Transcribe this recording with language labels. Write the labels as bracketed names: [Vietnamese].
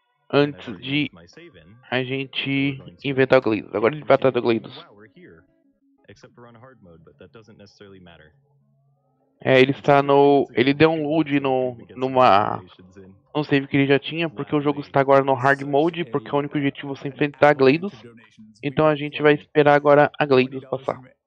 [Portuguese] Antes de a gente inventar o Gleidos. Agora ele vai estar do Gleidos. [English] Except for on hard mode, but that doesn't necessarily matter. [Portuguese] É, ele está no... ele deu um load no... numa... um save que ele já tinha, porque o jogo está agora no hard mode, porque é o único objetivo você enfrentar a Gleidos. Então a gente vai esperar agora a Gleidos passar.